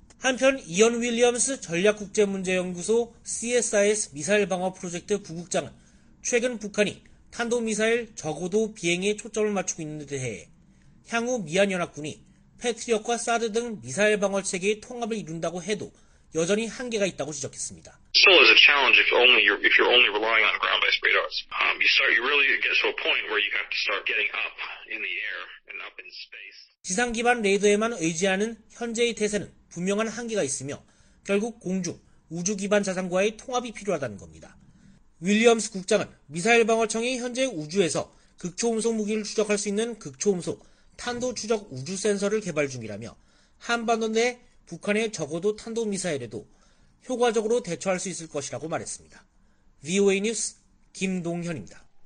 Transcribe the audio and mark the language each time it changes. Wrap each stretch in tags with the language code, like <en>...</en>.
<ko>한편 이언 윌리엄스 전략국제문제연구소 CSIS 미사일방어 프로젝트 부국장은 최근 북한이 탄도미사일 저고도 비행에 초점을 맞추고 있는 데 대해 향후 미한연합군이 패트리엇과 사드 등 미사일 방어 체계의 통합을 이룬다고 해도 여전히 한계가 있다고 지적했습니다.</ko> <en>Still is a challenge if you're only relying on ground-based radars. You really get to a point where you have to start getting up in the air and up in space.</en> <ko>지상 기반 레이더에만 의지하는 현재의 태세는 분명한 한계가 있으며 결국 공중 우주 기반 자산과의 통합이 필요하다는 겁니다. 윌리엄스 국장은 미사일 방어청이 현재 우주에서 극초음속 무기를 추적할 수 있는 극초음속 탄도 추적 우주 센서를 개발 중이라며 한반도 내 북한의 적어도 탄도 미사일에도 효과적으로 대처할 수 있을 것이라고 말했습니다. VOA 뉴스 김동현입니다.</ko>